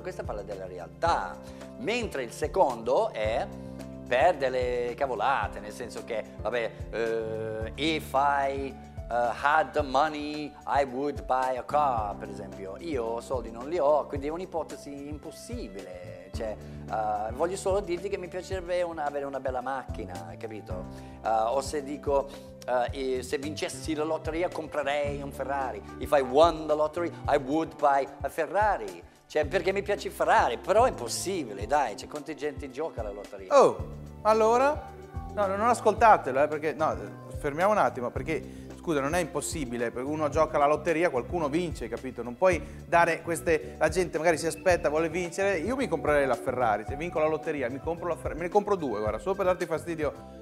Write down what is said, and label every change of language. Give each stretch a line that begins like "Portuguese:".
Italian: Questa parla della realtà, mentre il secondo è per delle cavolate, nel senso che vabbè,
English: if I had the money I would buy a car,
Italian: per esempio. Io soldi non li ho, quindi è un'ipotesi impossibile. Cioè, voglio solo dirti che mi piacerebbe avere una bella macchina, capito? O se dico, se vincessi la lotteria comprerei un Ferrari.
English: If I won the lottery, I would buy a Ferrari.
Italian: Cioè, perché mi piace Ferrari, però è impossibile, dai, c'è quanta gente gioca alla lotteria. Oh, allora? No, non ascoltatelo, perché, no, fermiamo un attimo, perché, scusa, non è impossibile, perché uno gioca alla lotteria, qualcuno vince, capito? Non puoi dare queste, la gente magari si aspetta, vuole vincere, io mi comprerei la Ferrari, se vinco la lotteria, mi compro la Ferrari, me ne compro due, guarda, solo per darti fastidio.